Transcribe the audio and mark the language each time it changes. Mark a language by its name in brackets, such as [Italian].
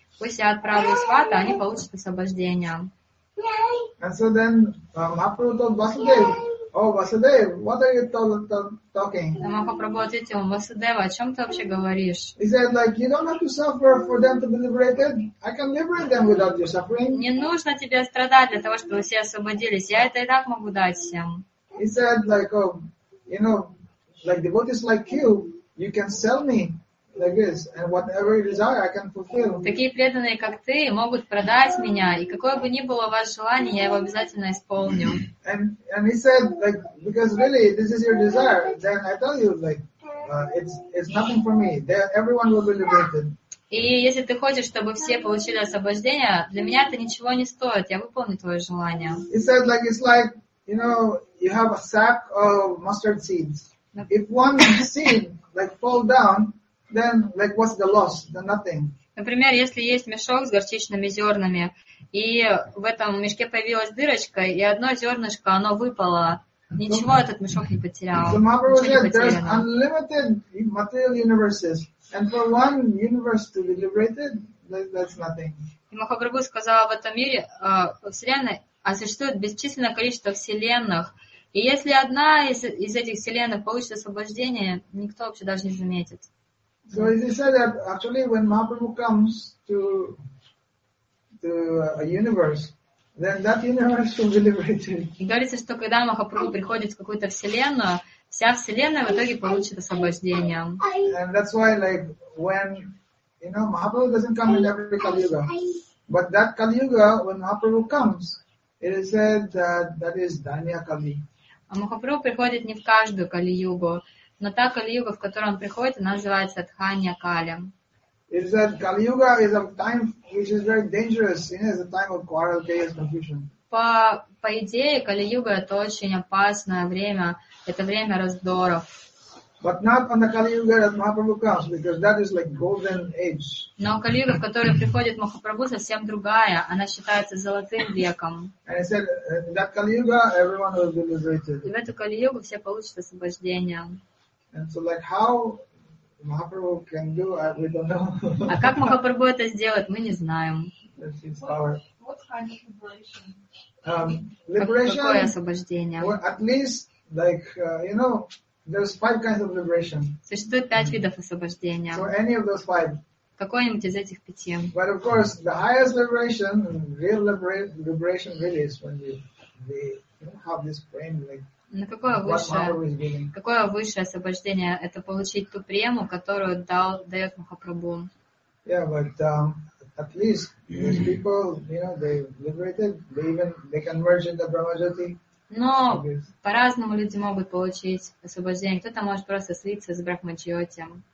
[Russian] Пусть я отправлю свата, они получат освобождение. [English] And so then Mahaprabhu told Vasudev. Oh, Vasudev, what are you talking? [Russian] Махапрабху ответил, Васудева, о чем ты вообще говоришь? [English] He said, like, you don't have to suffer for them to be liberated. I can liberate them without your suffering. [Russian] Не нужно тебе страдать для того, чтобы все освободились. Я это и так могу дать всем. [English] He said, like, oh, you know, like devotees like you can sell me like this, and whatever you desire, I can fulfill. [Russian] Такие преданные, как ты, могут продать меня, и какое бы ни было ваше желание, я его обязательно исполню. [English] And he said, like, because really, this is your desire, then I tell you, like, it's nothing for me. Everyone will be liberated. [Russian] И если ты хочешь, чтобы все получили освобождение, для меня это ничего не стоит, я выполню твое желание. [English] He said, like, it's like, you know, you have a sack of mustard seeds. If one seed, like, fall down, then, like, what's the loss? The nothing. [Russian] Например, если есть мешок с горчичными зернами, и в этом мешке появилась дырочка, и одно зернышко, оно выпало, ничего этот мешок не потерял. [English] So Mahaprabhu said, there's unlimited material universes, and for one universe to be liberated, that's nothing. [Russian] Махапрабху сказал, в этом мире, вселенной, осуществует бесчисленное количество вселенных, и если одна из этих вселенных получит освобождение, никто вообще даже не заметит. [English] So he said that actually when Mahaprabhu comes to a universe, then that universe will be liberated. [Russian] Говорится, что когда Махапрабху приходит в какую-то вселенную, вся вселенная в итоге получит освобождение. [English] And that's why, like, when, you know, Mahaprabhu doesn't come in every Kali Yuga. But that Kali Yuga, when Mahaprabhu comes, it is said that that is Danya Kali. [Russian] А Махапрабху приходит не в каждую Кали-Югу. Но та Кали-Юга, в которой он приходит, она называется Дханья Кали. [English] Кали-Юга is a time which is very dangerous. It's a time of quarrel, chaos, confusion. [Russian] По идее, Кали-Юга — это очень опасное время. Это время раздоров. [English] But not on the Kali-Yuga that Mahaprabhu comes, because that is like golden age. [Russian] Но Кали-Юга, в которую приходит Махапрабху, совсем другая. Она считается золотым веком. [English] And he said, in that Kali-Yuga, everyone will be liberated. [Russian] И в эту Кали-Югу все получат освобождение. [English] And so, like, how Mahaprabhu can do, we don't know. [Russian] А как Махапрабху это сделает, мы не знаем. [English] That's his power. What kind of liberation? [Russian] Какое освобождение? [English] Well, at least, like, you know, there's five kinds of liberation. [Russian] Существует пять видов освобождения. [English] So any of those five. [Russian] Какое-нибудь из этих пяти. [English] But of course, the highest liberation, real liberation really is when you have this brain, like, [Russian] Но какое высшее освобождение? Это получить ту прему, которую дает Махапрабху. [English] Yeah, but at least these people, you know, they liberated, they even they converted the Brahmajyoti. [Russian] Но по-разному люди могут получить освобождение. Кто-то может просто слиться с Брахмаджьоти.